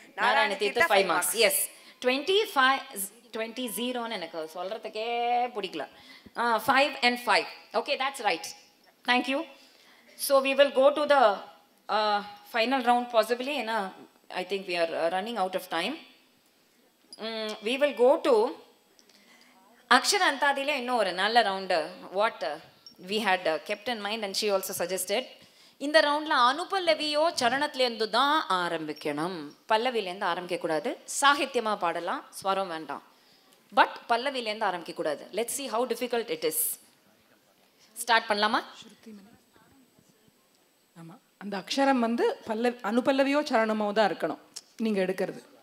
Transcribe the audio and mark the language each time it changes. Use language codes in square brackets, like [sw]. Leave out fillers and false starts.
[ta] Narayana Theertha 5 marks. S, 25 20 0. எனக்கு சொல்றதுக்கே பிடிக்கல. [en] 5 and 5. Okay, that's right. Thank you. So we will go to the final round possibly. [ta] ஏன்னா [en] I think we are running out of time. We will go to Akshara Antadile. [ta] இன்னொரு நல்ல round. [en] what we had kept in mind and she also suggested [ta] இந்த ரவுண்ட்ல அனுபல்லவியோ சரணத்திலேருந்து தான் ஆரம்பிக்கணும். பல்லவியிலேருந்து ஆரம்பிக்க கூடாது. சாகித்யமா பாடலாம், ஸ்வரம் வேண்டாம், பட் பல்லவியிலேருந்து ஆரம்பிக்க கூடாது. [en] Let's see how difficult it is. Start [ta] பண்ணலாமா? ஆமாம், அந்த அக்ஷரம் வந்து பல்லவி அனுபல்லவியோ சரணமோ தான் இருக்கணும் நீங்க எடுக்கிறது.